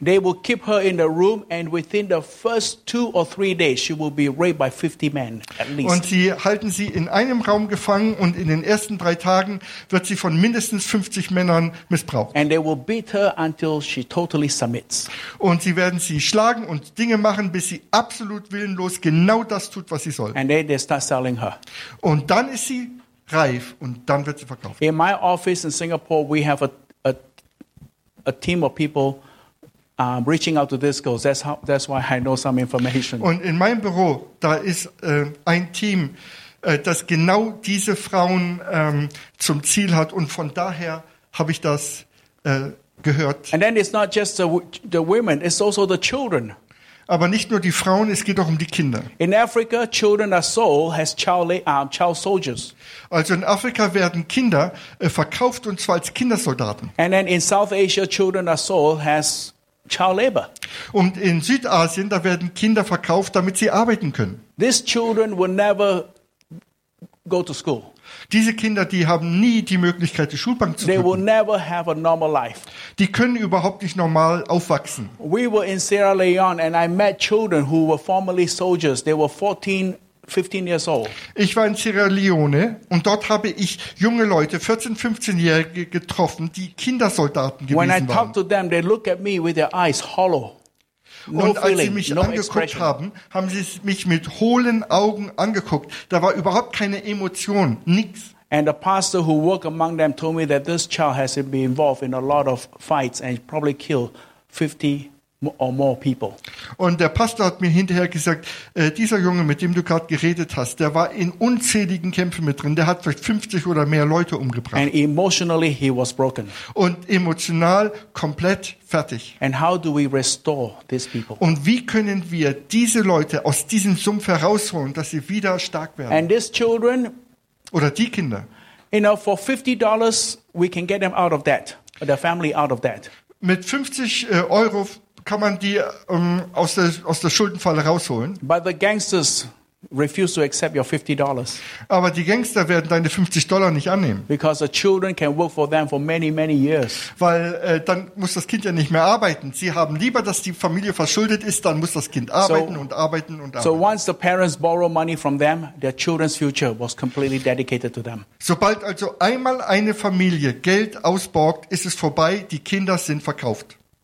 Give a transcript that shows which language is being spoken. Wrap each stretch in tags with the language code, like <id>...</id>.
<en>They will keep her in the room and within the first 2 or 3 days she will be raped by 50 men at least.</en> <de>Und sie halten sie in einem Raum gefangen und in den ersten 3 Tagen wird sie von mindestens 50 Männern missbraucht.</de> <en>And they will beat her until she totally submits.</en> <de>Und sie werden sie schlagen und Dinge machen, bis sie absolut willenlos genau das tut, was sie soll.</de> <en>And then they start selling her.</en> <de>Und dann ist sie reif und dann wird sie verkauft.</de> <en>In my office in Singapore we have a team of people reaching out to these girls. That's why I know some information.</en> <de>Und in meinem Büro, da ist ein Team, das genau diese Frauen zum Ziel hat. Und von daher habe ich das gehört.</de> <en>And then it's not just the women, it's also the children.</en> <de>Aber nicht nur die Frauen, es geht auch um die Kinder.</de> <en>In Africa, children are sold as child soldiers.</en> <de>Also in Afrika werden Kinder verkauft und zwar als Kindersoldaten.</de> <en>And then in South Asia, children are sold as child labor.</en> <de>Und in Südasien, da werden Kinder verkauft, damit sie arbeiten können.</de> <en>These children will never go to school.</en> <de>Diese Kinder, die haben nie die Möglichkeit, die Schulbank zu besuchen.</de> <en>They will never have a normal life.</en> <de>Die können überhaupt nicht normal aufwachsen.</de> <en>We were in Sierra Leone and I met children who were formerly soldiers. They were 14, 15 years old.</en> <de>Ich war in Sierra Leone und dort habe ich junge Leute, 14, 15-Jährige getroffen, die Kindersoldaten gewesen waren.</de> <en>When I talk to them, they look at me with their eyes hollow.</en> <de>Und als sie mich angeguckt haben, haben sie mich mit hohlen Augen angeguckt. Da war überhaupt keine Emotion, nichts.</de> <en>And the pastor who worked among them told me that this child has been involved in a lot of fights and probably killed 50 or more people.</en> <de>Und der Pastor hat mir hinterher gesagt, dieser Junge, mit dem du gerade geredet hast, der war in unzähligen Kämpfen mit drin, der hat vielleicht 50 oder mehr Leute umgebracht.</de> <en>And emotionally he was broken.</en> <de>Und emotional komplett fertig.</de> <en>And how do we restore these people?</en> <de>Und wie können wir diese Leute aus diesem Sumpf herausholen, dass sie wieder stark werden?</de> <en>And these children,</en> <de>oder die Kinder.</de> <en>You know, for $50 we can get them out of that, the family out of that.</en> <de>Mit 50 Euro kann man die aus der Schuldenfalle rausholen.</de> <en>But the gangsters refuse to accept your $50.</en> <de>Aber die Gangster werden deine $50 nicht annehmen.</de> <en>Because the children can work for them for many, many years.</en> <de>Weil dann muss das Kind ja nicht mehr arbeiten. Sie haben lieber, dass die Familie verschuldet ist, dann muss das Kind arbeiten und arbeiten und arbeiten.</de> <en>So once the parents borrow money from them, their children's future was completely dedicated to them.</en> <de>Sobald also einmal eine Familie Geld ausborgt, ist es vorbei, die Kinder sind verkauft.</de>